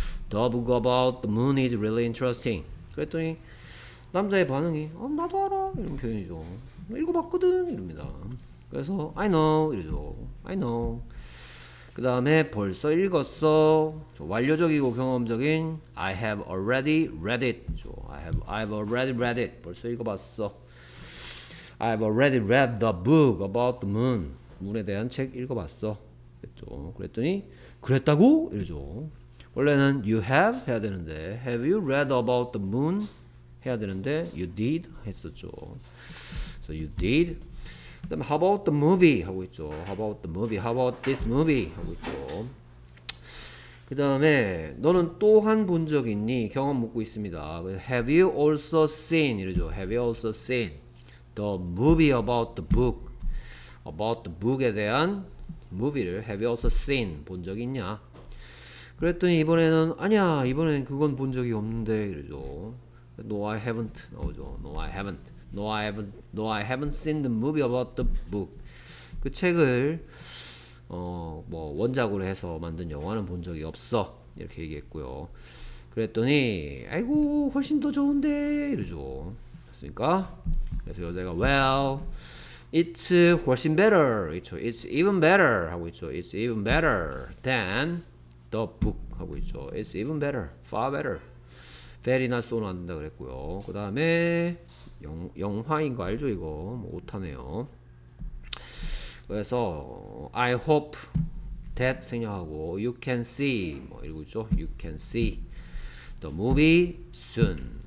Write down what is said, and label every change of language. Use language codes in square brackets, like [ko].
[en] the book about the moon is really interesting. [ko] 그랬더니 남자의 반응이 나도 알아 이런 표현이죠. 읽어봤거든 이릅니다. 그래서 [en] I know [ko] 이러죠. I know. 그 다음에 벌써 읽었어. 완료적이고 경험적인 [en] I have already read it. I've already read it. [ko] 벌써 읽어봤어. [en] I've already read the book about the moon. [ko] 문에 대한 책 읽어봤어. 그랬더니 그랬다고? 이러죠. 원래는 [en] you have 해야 되는데 have you read about the moon? 해야 되는데 you did 했었죠. So you did. 그다음에 how about the movie 하고 있죠. how about the movie, how about this movie 하고 있죠. [ko] 그다음에 너는 또한 본적 있니? 경험 묻고 있습니다. [en] Have you also seen [ko] 이러죠. [en] Have you also seen the movie about the book? About the book에 대한 movie를 Have you also seen 본적 있냐? [ko] 그랬더니 이번에는 아니야. 이번엔 그건 본 적이 없는데 이러죠. [en] No, I haven't 나오죠. No, I haven't. No, I haven't seen the movie about the book. [ko] 그 책을 뭐 원작으로 해서 만든 영화는 본 적이 없어. 이렇게 얘기했고요. 그랬더니 아이고 훨씬 더 좋은데 이러죠. 맞습니까? 그래서 여자가 [en] well, it's [ko] 훨씬 better. [en] It's even better 하고 있죠. It's even better than the book 하고 있죠. It's even better, far better. very나 so는 안 된다 그랬고요. [ko] 그 다음에 영화인 거 알죠 이거? 뭐 오타네요. 그래서 I hope that 생략하고 you can see 뭐 이러고 있죠. [en] you can see the movie soon.